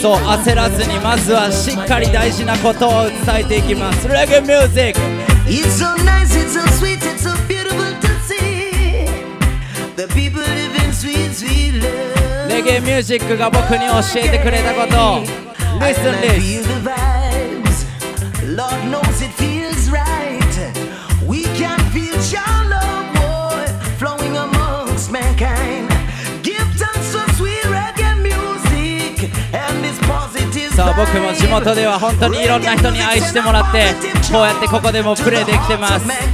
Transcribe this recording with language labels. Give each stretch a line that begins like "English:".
English: So,
Japanese: 焦らずにまずはしっかり大事なことを伝えていきます。
English: Reggae music. It's so nice, it's so sweet, it's so beautiful to see the people living sweet, sweet love.
Japanese: Reggae music が僕に教えてくれたこと。
English: Listen this. I feel the vibes. Lord knows it feels right. We can feel your love, boy, flowing amongst mankind. Give thanks for sweet reggae music and this positive vibe.
Japanese: さあ、僕も地元では本当にいろんな人に愛してもらって、こうやってここでもプレーできてます。